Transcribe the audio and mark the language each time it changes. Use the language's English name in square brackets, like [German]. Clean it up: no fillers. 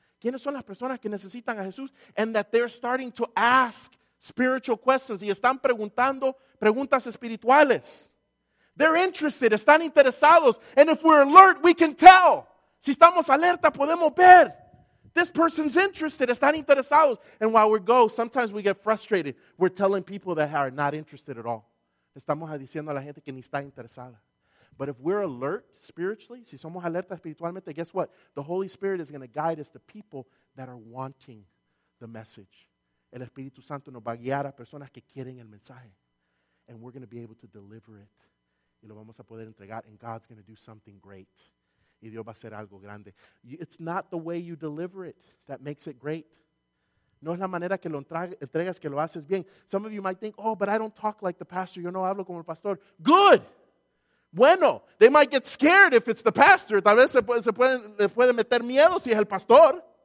[Spanish] ¿Quiénes son las personas que necesitan a Jesús? [English] And that they're starting to ask spiritual questions. [Spanish] Y están preguntando preguntas espirituales. [English] They're interested. [Spanish] Están interesados. [English] And if we're alert, we can tell. [Spanish] Si estamos alerta, podemos ver. [English] This person's interested. [Spanish] Están interesados. [English] And while we go, sometimes we get frustrated. We're telling people that are not interested at all. [Spanish] Estamos diciendo a la gente que ni está interesada. [English] But if we're alert spiritually, [Spanish] si somos alerta espiritualmente, [English] guess what? The Holy Spirit is going to guide us to people that are wanting the message. [Spanish] El Espíritu Santo nos va a guiar a personas que quieren el mensaje. [English] And we're going to be able to deliver it. [Spanish] Y lo vamos a poder entregar. [English] And God's going to do something great. [Spanish] Y Dios va a hacer algo grande. [English] It's not the way you deliver it that makes it great. [Spanish] No es la manera que lo entregas que lo haces bien. [English] Some of you might think, oh, but I don't talk like the pastor. [Spanish] Yo no hablo como el pastor. [English] Good. [Spanish] Bueno. [English] They might get scared if it's the pastor. [Spanish] Tal vez se puede meter miedo si es el pastor.